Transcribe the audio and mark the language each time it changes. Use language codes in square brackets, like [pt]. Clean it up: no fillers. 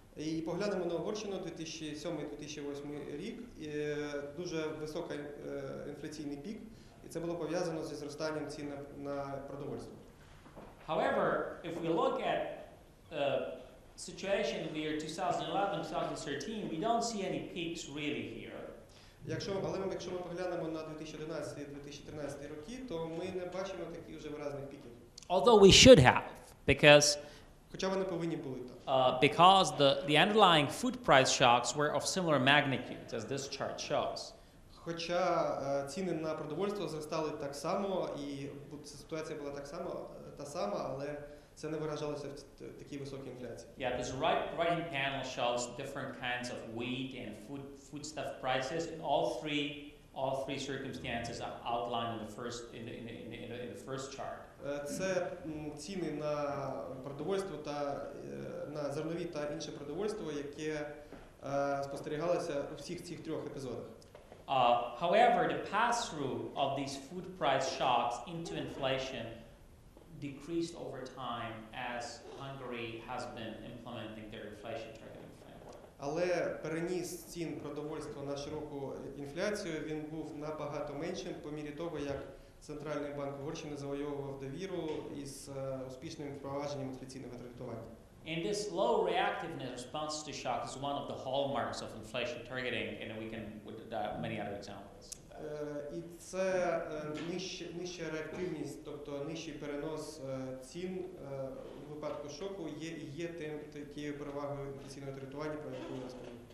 [uk] І поглянемо на Угорщину 2007-2008 рік, дуже високий інфляційний пік, і це було пов'язано зі зростанням цін на продовольство. [en] However, if we look at situation in the year 2011-2013, we don't see any peaks really here. [uk] Якщо ми поглянемо на 2011-2013 роки, то ми не бачимо таких вже виразних піків. [en] Although we should have, because [uk] хоча вони повинні були так. [en] Because the underlying food price shocks were of similar magnitude, as this chart shows. [uk] Хоча ціни на продовольство зростали так само, і ситуація була так само, та сама, але це не виражалося в такій високій інфляції. [en] Yeah, this right-hand panel shows different kinds of wheat and foodstuff prices. In all three circumstances are outlined in the first chart. [uk] Це ціни на продовольство та на зернові та інше продовольство, яке спостерігалося у всіх цих трьох епізодах. [en] However, the pass-through of these food price shocks into inflation decreased over time as Hungary has been implementing their inflation targeting framework. [uk] Але переніс цін продовольства на широку інфляцію, він був набагато меншим по мірі того, як Центральний банк Угорщини завойовував довіру із успішним впровадженням інфляційного таргетування. [en] And this low reactiveness response to shock is one of the hallmarks of inflation targeting, and we can with many other examples. [uk] І це нижча реактивність, тобто нижчий перенос цін у випадку шоку є тим такою перевагою інфляційного таргетування, про яку я скажу.